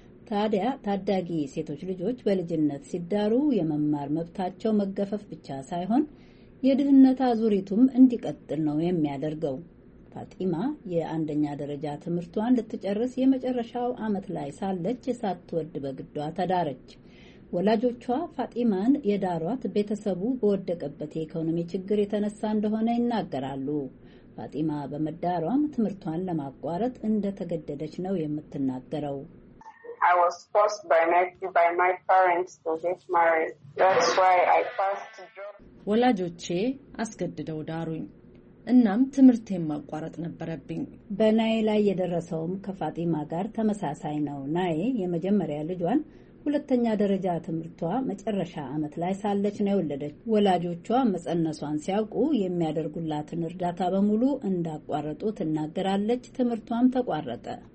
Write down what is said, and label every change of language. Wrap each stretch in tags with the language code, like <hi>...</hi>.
<am>ታዲያ ታዳጊ ሴቶች ልጆች በልጅነት ሲዳሩ የመማር መብታቸው መገፈፍ ብቻ ሳይሆን የድህነት አዙሪቱም እንዲቀጥል ነው የሚያደርገው። ፋጢማ የአንደኛ ደረጃ ትምህርቷን ልትጨርስ የመጨረሻው ዓመት ላይ ሳለች ሳትወድ በግዷ ተዳረች። ወላጆቿ ፋጢማን የዳሯት ቤተሰቡ በወደቀበት የኢኮኖሚ ችግር የተነሳ እንደሆነ ይናገራሉ። ፋጢማ በመዳሯም ትምህርቷን ለማቋረጥ እንደተገደደች ነው የምትናገረው።</am> <en>I was forced by my parents to get married. That's why I passed through.</en> <am>ወላጆቼ አስገድደው ዳሩኝ። እናም ትምህርቴን ማቋረጥ ነበረብኝ። በናይ ላይ የደረሰውም ከፋጢማ ጋር ተመሳሳይ ነው። ናይ የመጀመሪያ ልጇን ሁለተኛ ደረጃ ትምህርቷ መጨረሻ ዓመት ላይ ሳለች ነው የወለደች። ወላጆቿ መጸነሷን ሲያውቁ የሚያደርጉላትን እርዳታ በሙሉ እንዳቋረጡ ትናገራለች። ትምህርቷም ተቋረጠ።</am>